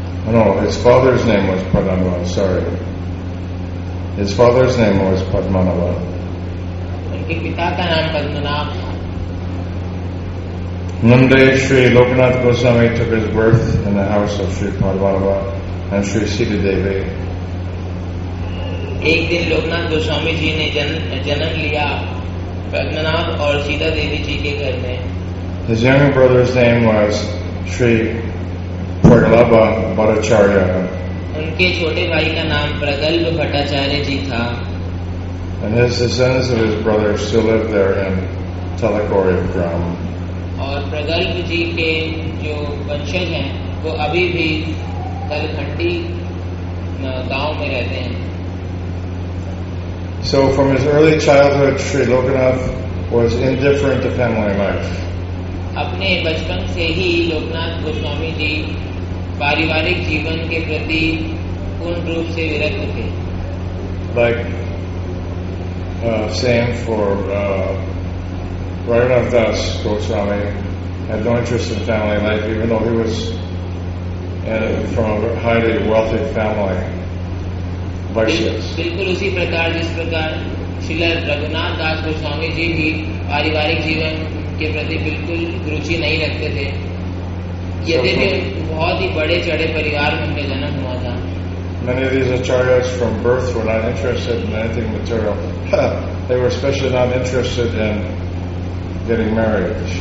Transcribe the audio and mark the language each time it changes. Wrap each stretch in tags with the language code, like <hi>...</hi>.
<en>No, his father's name was Padmanabha, sorry. His father's name was Padmanabha.</en> <hi>उनके पिता का नाम पद्मनाभ था.</hi> <en>Nunde Sri Lokanath Goswami took his birth in the house of Sri Padmanabha and Sri Sita Devi.</en> <hi>एक दिन लोकनाथ गोस्वामी जी ने जन्म लिया पद्मनाभ और सीता देवी जी के घर में.</hi> <en>His younger brother's name was Sri Pragalabha Bhattacharya.</en> <hi>उनके छोटे भाई का नाम प्रगल्भ भट्टाचार्य जी था.</hi> <en>And his descendants of his brother still live there in Talakoriya Gram.</en> <hi>और प्रगल्भ जी के जो वंशज हैं वो अभी भी तलखंडी गांव में रहते हैं।</hi> <en>So from his early childhood, Sri Lokanath was indifferent to family life.</en> <hi>अपने बचपन से ही लोकनाथ गोस्वामी जी पारिवारिक जीवन के प्रति पूर्ण रूप से विरक्त थे।</hi> <en>Like same for Raghunath Das Goswami had no interest in family life, even though he was from a highly wealthy family.</en> <hi>बिल्कुल उसी प्रकार जिस प्रकार श्रील रघुनाथ दास गोस्वामी जी भी पारिवारिक जीवन के प्रति बिल्कुल रुचि नहीं रखते थे, यद्यपि बहुत ही बड़े चढ़े परिवार में उनका जन्म हुआ था।</hi> <en>Many of these acharyas from birth were not interested in anything material. They were especially not interested in getting married.</en>